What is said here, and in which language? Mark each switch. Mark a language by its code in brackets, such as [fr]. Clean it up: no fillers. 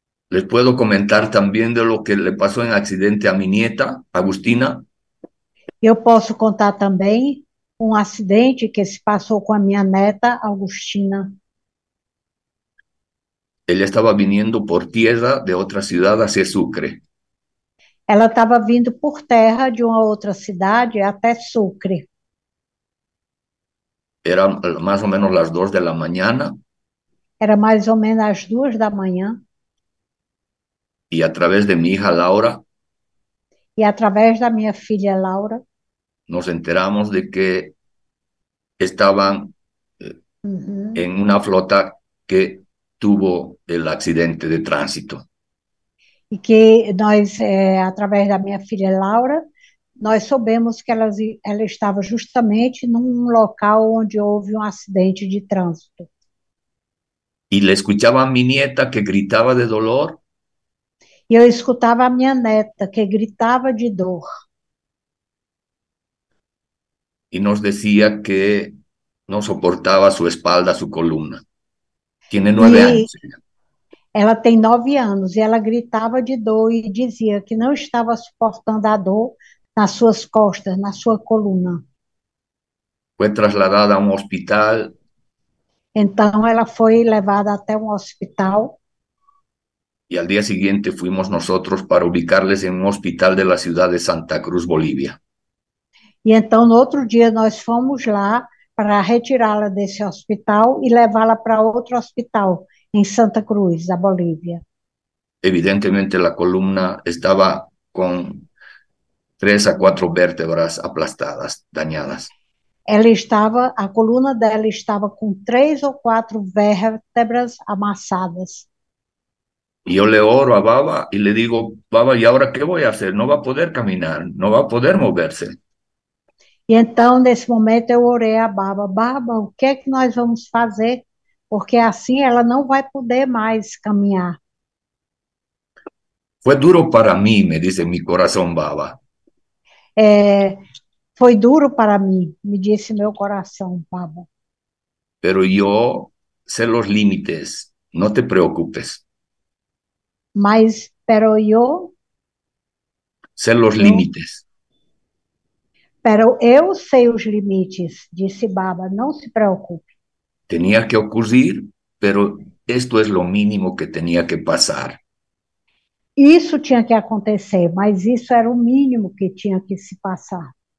[es] Les puedo comentar también de lo que le pasó en accidente a mi nieta, Agustina. [pt] Eu posso contar também um acidente que se passou com a minha neta, Agustina. [es] Ella estaba viniendo por tierra de otra ciudad hacia Sucre. [pt] Ela estava vindo por terra de uma outra cidade até Sucre. [es] Era más o menos las 2 de la mañana. [pt] Era mais ou menos às 2 da manhã. [es] Y a través de mi hija Laura. [pt] E através da minha filha Laura. [es] Nos enteramos de que estaban en una flota que tuvo el accidente de tránsito. [pt] E que nós, através da minha filha Laura, nós soubemos que ela estava justamente num local onde houve um acidente de trânsito. [es] Y le escuchaba a mi nieta que gritaba de dolor. [pt] E eu escutava a minha neta que gritava de dor. [es] Y nos decía que no soportaba su espalda, su columna. Tiene 9 años. [pt] E ela tem 9 anos e ela gritava de dor e dizia que não estava suportando a dor nas suas costas, na sua coluna. [es] Fue trasladada a un hospital. [pt] Então ela foi levada até um hospital. [es] Y al día siguiente fuimos nosotros para ubicarles en un hospital de la ciudad de Santa Cruz, Bolivia. [pt] E então, no outro dia, nós fomos lá para retirá-la desse hospital e levá-la para outro hospital, em Santa Cruz, na Bolívia. [es] Evidentemente, la columna estaba con 3 a 4 vértebras aplastadas, dañadas. [pt] A coluna dela estava com 3 ou 4 vértebras amassadas. [es] Y yo le oro a Baba y le digo, Baba, ¿y ahora qué voy a hacer? No va a poder caminar, no va a poder moverse. [pt] E então, nesse momento, eu orei a Baba: Baba, o que é que nós vamos fazer? Porque assim ela não vai poder mais caminhar. [es] Fue duro para mí, me dice mi corazón, Baba. [pt] Foi duro para mim, me disse meu coração, Baba. [es] Pero yo sé los límites, no te preocupes. Mas, pero Ser los [pt] eu. [es] límites. [pt] Pero eu sei os limites, disse Baba, não se preocupe. [es] Tenía que ocurrir, pero esto es lo mínimo que tenía que pasar. [pt] Isso tinha que acontecer, mas isso era o mínimo que tinha que se passar.